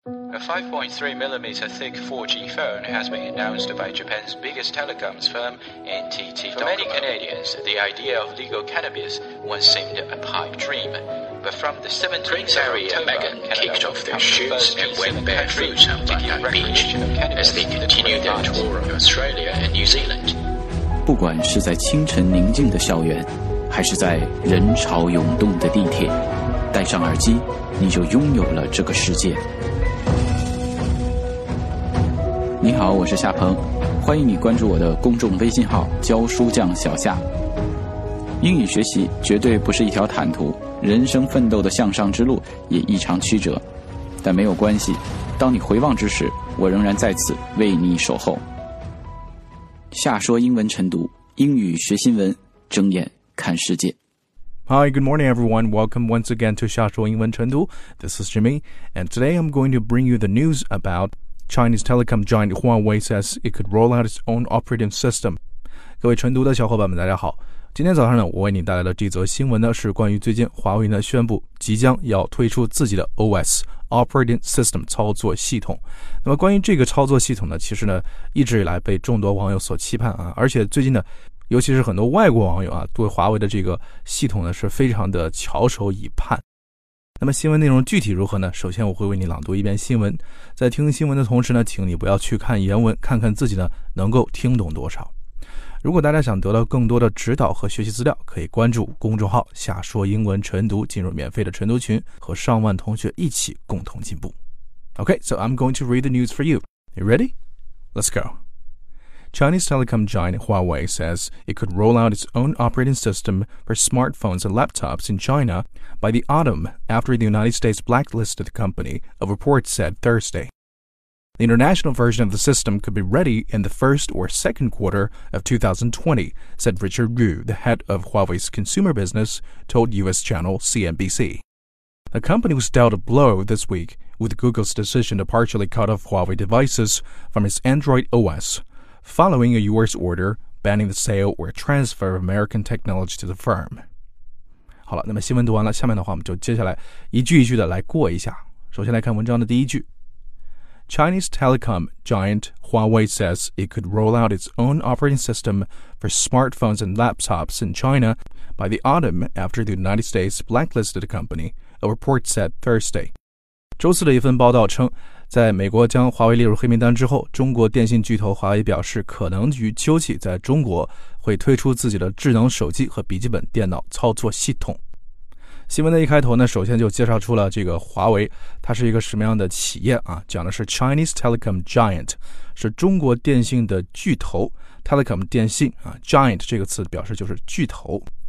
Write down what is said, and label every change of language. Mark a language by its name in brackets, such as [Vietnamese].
[English] A 5.3mm thick 4G phone has been announced by Japan's biggest telecoms firm, NTT Docomo. For many Canadians, the idea of legal cannabis once seemed a pipe dream. But from the 7th of October, Meghan kicked off their shoots and went barefoot on Bondi Beach as they continued their tour of Australia and New Zealand. [Chinese] 不管是在清晨宁静的校园，还是在人潮涌动的地铁，戴上耳机，你就拥有了这个世界。你好，我是夏鹏，欢迎你关注我的公众微信号教书匠小夏。英语学习绝对不是一条坦途，人生奋斗的向上之路也异常曲折，但没有关系，当你回望之时，我仍然在此为你守候。夏说英文晨读，英语学新闻，睁眼看世界。 [English] Hi, good morning everyone. Welcome once again to 夏说英文晨读。 This is Jimmy, and today I'm going to bring you the news aboutChinese telecom giant Huawei says it could roll out its own operating system. [Chinese] 各位晨读的小伙伴们，大家好。今天早上呢，我为你带来的这则新闻呢，是关于最近华为呢宣布即将要推出自己的 OS operating system 操作系统。那么关于这个操作系统呢，其实呢一直以来被众多网友所期盼啊，而且最近呢，尤其是很多外国网友啊，对华为的这个系统呢是非常的翘首以盼。那么新闻内容具体如何呢？首先我会为你朗读一遍新闻，在听新闻的同时呢，请你不要去看原文，看看自己呢能够听懂多少。如果大家想得到更多的指导和学习资料，可以关注公众号夏说英文晨读，进入免费的晨读群，和上万同学一起共同进步。 [English] OK, so I'm going to read the news for you. You ready? Let's go. Chinese telecom giant Huawei says it could roll out its own operating system for smartphones and laptops in China by the autumn after the United States blacklisted the company, a report said Thursday. The international version of the system could be ready in the first or second quarter of 2020, said Richard Yu, the head of Huawei's consumer business, told US channel CNBC. The company was dealt a blow this week with Google's decision to partially cut off Huawei devices from its Android OS,following a U.S. order banning the sale or transfer of American technology to the firm. [Chinese] 好了，那么新闻读完了，下面的话我们就接下来一句一句的来过一下。首先来看文章的第一句。 [English] Chinese telecom giant Huawei says it could roll out its own operating system for smartphones and laptops in China by the autumn after the United States blacklisted the company, a report said Thursday. [Chinese] 周四的一份报道称，在美国将华为列入黑名单之后，中国电信巨头华为表示可能与秋季在中国会推出自己的智能手机和笔记本电脑操作系统。新闻的一开头呢，首先就介绍出了这个华为它是一个什么样的企业啊，讲的是 [English] Chinese Telecom Giant, [Chinese] 是中国电信的巨头 Telecom 电信啊， Giant 这个词表示就是巨头。